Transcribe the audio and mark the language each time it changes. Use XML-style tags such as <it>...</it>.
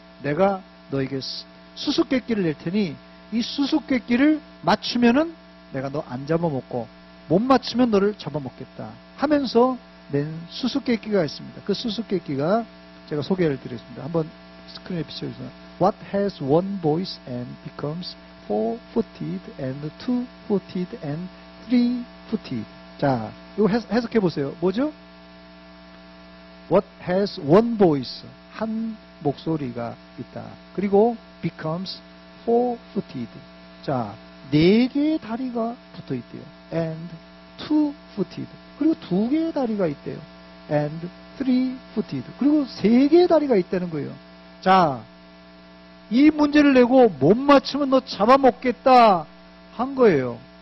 <ko>내가 너에게 수수께끼를 낼 테니 이 수수께끼를 맞추면은 내가 너 안 잡아먹고 못 맞추면 너를 잡아먹겠다 하면서 낸 수수께끼가 있습니다. 그 수수께끼가 제가 소개를 드리겠습니다. 한번 스크린에 비춰주세요.</ko> <en>What has one voice and becomes four-footed and two-footed and three-footed?</en> <ko>자, 이거 해석해 보세요. 뭐죠?</ko> <en>What has one voice?</en> <ko>한 목소리가 있다. 그리고</ko> <en>becomes four-footed.</en> <ko>자, 네 개의 다리가 붙어 있대요.</ko> <en>And two-footed.</en> <ko>그리고 두 개의 다리가 있대요.</ko> <en>And three-footed.</en> <ko>그리고 세 개의 다리가 있다는 거예요. 자, 이 문제를 내고 못 맞추면 너 잡아먹겠다 한 거예요.</ko>